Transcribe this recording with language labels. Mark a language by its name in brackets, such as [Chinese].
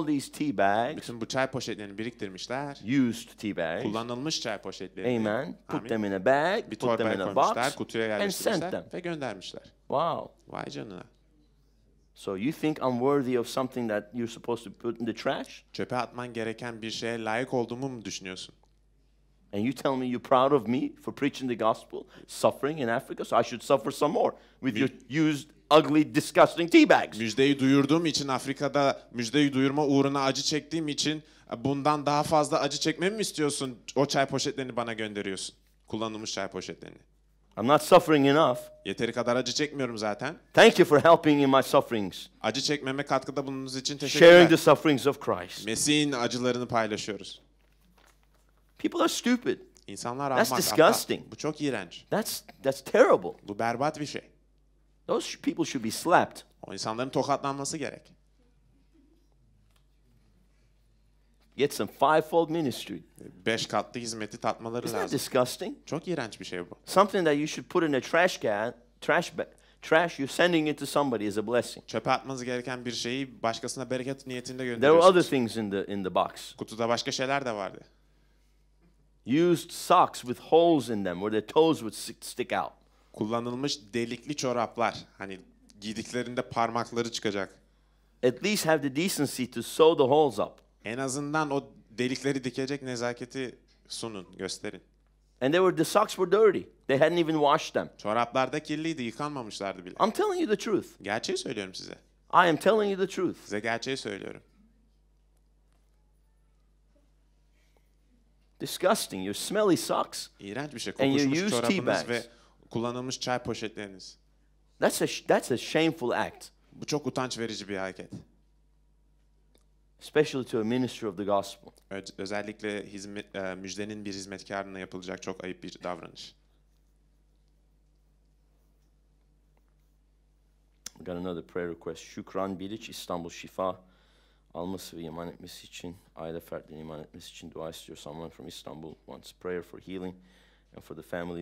[English] All these tea bags. [Turkish] Bütün bu çay poşetlerini biriktirmişler. [English] Used tea bags. [Turkish] Kullanılmış çay poşetleri. [English] Amen. Put them in a bag. [Turkish] Bir torbaya koymuşlar, kutuya yerleştirmişler. Ve göndermişler. [English] Wow. [Turkish] Vay canına. [English] So you think I'm worthy of something that you're supposed to put in the trash? [Turkish] Çöpe atman gereken bir şeye layık olduğumu mu düşünüyorsun? [English] And you tell me you're proud of me for preaching the gospel, suffering in Africa, so I should suffer some more with your used, ugly, disgusting tea bags. [Turkish] Müjdeyi duyurduğum için Afrika'da müjdeyi duyurma uğruna acı çektiğim için bundan daha fazla acı çekmemi mi istiyorsun? O çay poşetlerini bana gönderiyorsun. Kullanılmış çay poşetlerini. [English] I'm not suffering enough. [Turkish] Yeteri kadar acı çekmiyorum zaten. [English] Thank you for helping in my sufferings. [Turkish] Acı çekmeme katkıda bulunduğunuz için teşekkür ederim. [English] Sharing the sufferings of Christ. [Turkish] Mesih'in acılarını paylaşıyoruz. [English] People are stupid. [Turkish] İnsanlar [English] that's disgusting. [Turkish] Bu çok iğrenç. [English] That's terrible. [Turkish] Bu berbat bir şey. [English] Those people should be slapped. [Turkish] O insanların tokatlanması gerek. [English] get some fivefold ministry. [Turkish] Beş katlı hizmeti tatmaları [English] Isn't [Turkish] lazım. [English] Isn't that disgusting? [Turkish] Çok iğrenç bir şey bu. [English] Something that you should put in a trash can, trash bag. Trash you're sending it to somebody is a blessing. [Turkish] Çöpe atmanız gereken bir şeyi başkasına bereket niyetinde gönderiyorsunuz. [English] There were other things in the box. [Turkish] Kutuda başka şeyler de vardı. [English] Used socks with holes in them where their toes would stick out. [Turkish] Kullanılmış delikli çoraplar, hani giydiklerinde parmakları çıkacak. [English] At least have the decency to sew the holes up. [Turkish] En azından o delikleri dikecek nezaketi sunun, gösterin. [English] And the socks were dirty. They hadn't even washed them. [Turkish] Çoraplar da kirliydi, yıkanmamışlardı bile. [English] I'm telling you the truth. [Turkish] Gerçeği söylüyorum size. [English] I am telling you the truth. [Turkish] Size gerçeği söylüyorum. [English] Disgusting. Your smelly socks. [Turkish] İğrenç bir şey. Kokuşmuş çorabınız teabags. Ve kullanılmış çay poşetleriniz. [English] That's a shameful act. [Turkish] Bu çok utanç verici bir hareket. [English] Especially to a minister of the gospel. [Turkish] Özellikle hizmet, müjdenin bir hizmetkarına yapılacak çok ayıp bir davranış. [English] We got another prayer request. [Turkish] Şükran Biliç, İstanbul Şifa alması ve iman etmesi için, aile fertlerini iman etmesi için dua istiyor. [English] Someone from Istanbul wants prayer for healing and for the family.